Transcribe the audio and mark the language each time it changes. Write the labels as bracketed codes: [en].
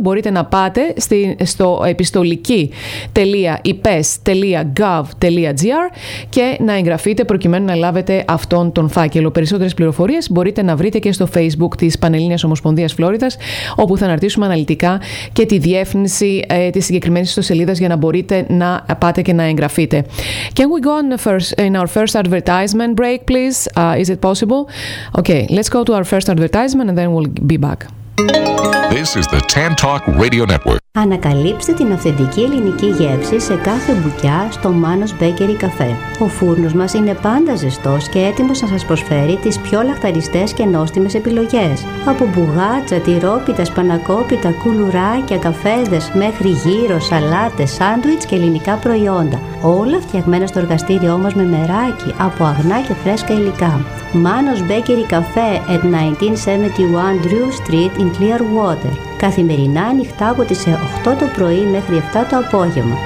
[el] Μπορείτε να πάτε στο επιστολική.ipes.gov.gr και να εγγραφείτε προκειμένου να λάβετε αυτόν τον φάκελο. Περισσότερες πληροφορίες μπορείτε να βρείτε και στο Facebook της Πανελλήνιας Ομοσπονδίας Φλόριδας, όπου θα αναρτήσουμε αναλυτικά και τη διεύθυνση της συγκεκριμένης ιστοσελίδας για να μπορείτε να πάτε και να εγγραφείτε. [en] Can we go on in our first advertisement break, please? Is it possible? Okay, let's go to our first advertisement and then we'll be back. This is the Tan Talk Radio Network. [el] Ανακαλύψτε την αυθεντική ελληνική γεύση σε κάθε μπουκιά στο Manos Bakery Cafe. Ο φούρνος μας είναι πάντα ζεστός και έτοιμος να σας προσφέρει τις πιο λαχταριστές και νόστιμες επιλογές. Από μπουγάτσα, τυρόπιτα, σπανακόπιτα, κουλουράκια, καφέδες, μέχρι γύρο, σαλάτες, σάντουιτς και ελληνικά προϊόντα. Όλα φτιαγμένα στο εργαστήριό μας με μεράκι, από αγνά και φρέσκα υλικά. [en] Manos Bakery Cafe at 1971 Drew Street in Clearwater. [el] Καθημερινά ανοιχτά από τις 8 το πρωί μέχρι 7 το απόγευμα.